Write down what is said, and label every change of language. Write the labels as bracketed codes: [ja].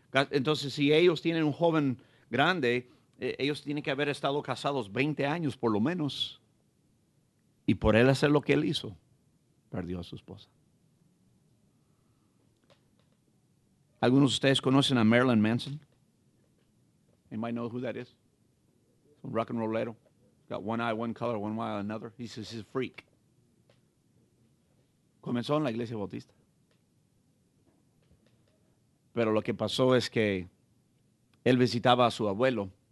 [es] Entonces, si ellos tienen un joven grande, ellos tienen que haber estado casados 20 años por lo menos. Y por él hacer lo que él hizo, perdió a su esposa. ¿Algunos de ustedes conocen a Marilyn Manson? [en] Anybody know who that is? Some rock and rollero. Got one eye, one color, one eye, another. He says he's a freak. [es] Comenzó en la iglesia bautista. Pero lo que pasó es que él visitaba a su abuelo.